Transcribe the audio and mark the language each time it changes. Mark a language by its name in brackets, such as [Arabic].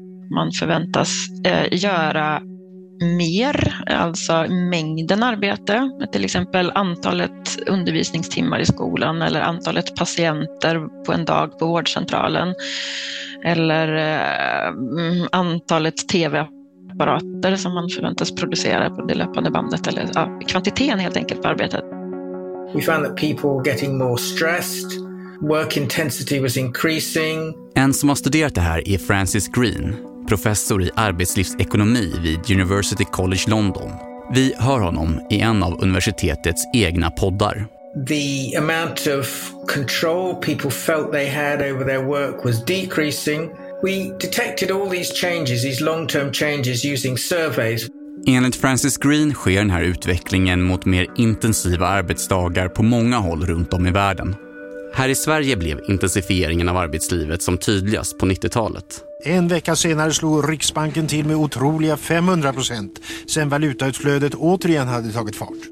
[Swedish] Man förväntas göra mer, alltså mängden arbete, till exempel antalet undervisningstimmar i skolan eller antalet patienter på en dag på vårdcentralen eller antalet tv-apparater som man förväntas producera på det löpande bandet eller kvantiteten helt enkelt på arbetet. [English] We found that people getting more stressed, work intensity was increasing. [Swedish] En som har studerat det här är Francis Green, professor i arbetslivsekonomi vid University College London. Vi hör honom i en av universitetets egna poddar. [English] The amount of control people felt they had over their work was decreasing. We detected all these changes, these long-term changes using surveys. [Swedish] Enligt Francis Green sker den här utvecklingen mot mer intensiva arbetsdagar på många håll runt om i världen. Här i Sverige blev intensifieringen av arbetslivet som tydligast på 90-talet. En vecka senare slog Riksbanken till med otroliga 500% sen valutautflödet återigen hade tagit fart.